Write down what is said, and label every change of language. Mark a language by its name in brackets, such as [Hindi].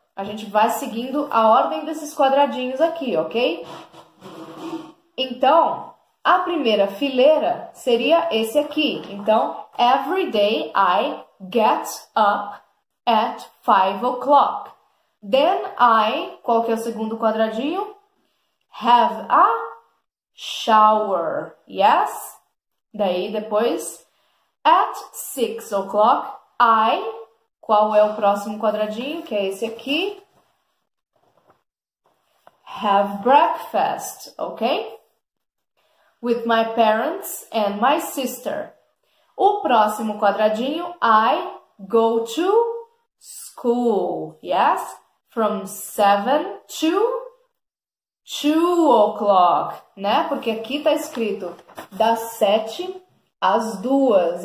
[Portuguese] A gente vai seguindo a ordem desses quadradinhos aqui, ok? Então, a primeira fileira seria esse aqui. [English] Então, every day I get up at 5 o'clock. Then I. [Portuguese] Qual que é o segundo quadradinho? [English] Have a shower. Yes? [Portuguese] Daí depois, [English] at 6 o'clock. [Portuguese] I, qual é o próximo quadradinho? Que é esse aqui. [English] Have breakfast, ok? With my parents and my sister. [Portuguese] O próximo quadradinho, [English] I go to school, yes? From 7 to 2 o'clock, né? [Portuguese] Porque aqui tá escrito das 7 às 2.